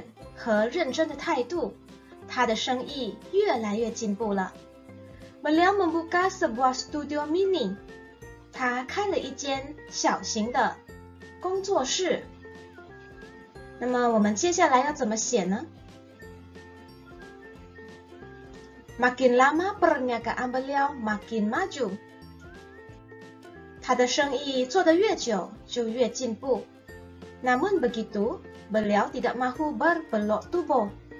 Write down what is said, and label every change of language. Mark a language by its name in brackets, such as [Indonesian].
[Chinese] 以他的天分和认真的态度, 他的生意越来越进步了. [Malay] Beliau membuka sebuah studio mini. [Chinese] 他开了一间小型的工作室. 那么我们接下来要怎么写呢? [Malay] Makin lama perniagaan beliau makin maju. [Chinese] 他的生意做得越久就越进步. [Malay] Namun begitu, beliau tidak mahu berbelok tubuh.